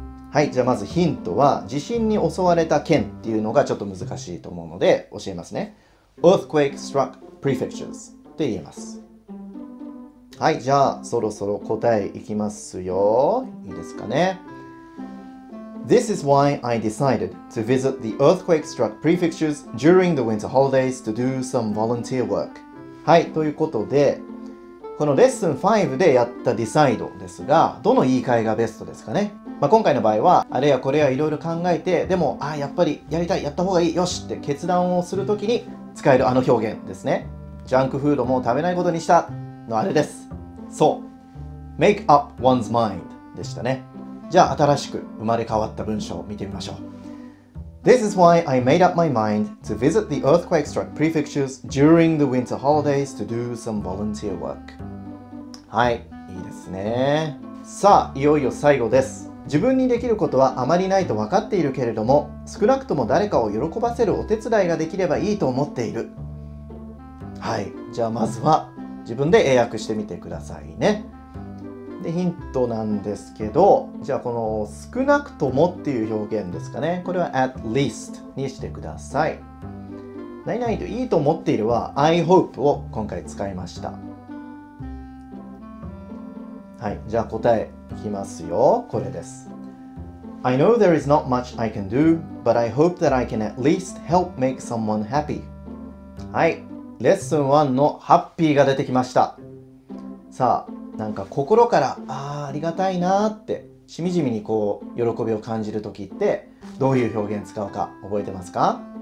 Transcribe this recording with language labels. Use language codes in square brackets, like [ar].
[ja] はい、じゃあまずヒントは、地震に襲われた県っていうのがちょっと難しいと思うので教えますね。 [en] Earthquake struck prefectures. [ja] って言えます。はい、じゃあそろそろ答えいきますよ。いいですかね。 [en] This is why I decided to visit the earthquake-struck prefectures during the winter holidays to do some volunteer work. [ja] はい、ということで、このレッスン5でやった decide ですが、どの言い換えがベストですかね。まあ、今回の場合はあれやこれやいろいろ考えて、でもあ、やっぱりやりたい、やった方がいい、よしって決断をするときに使えるあの表現ですね。ジャンクフードも食べないことにしたのあれです。そう、 [en] Make up one's mind [ja] でしたね。じゃあ新しく生まれ変わった文章を見てみましょう。 [en] This is why I made up my mind to visit the earthquake struck prefectures during the winter holidays to do some volunteer work. [ja] はい、いいですね。さあ、いよいよ最後です。自分にできることはあまりないと分かっているけれども、少なくとも誰かを喜ばせるお手伝いができればいいと思っている。はい、じゃあまずは自分で英訳してみてくださいね。で、ヒントなんですけど、じゃあこの少なくともっていう表現ですかね、これは at least にしてください。何々といいと思っているは [en] I hope [ja] を今回使いました。はい、じゃあ答えいきますよ。これです。 [en] I know there is not much I can do, but I hope that I can at least help make someone happy. [ja] はい、レッスン1のハッピーが出てきました。さあ、なんか心から ありがたいなってしみじみにこう喜びを感じるときってどういう表現使うか覚えてますか？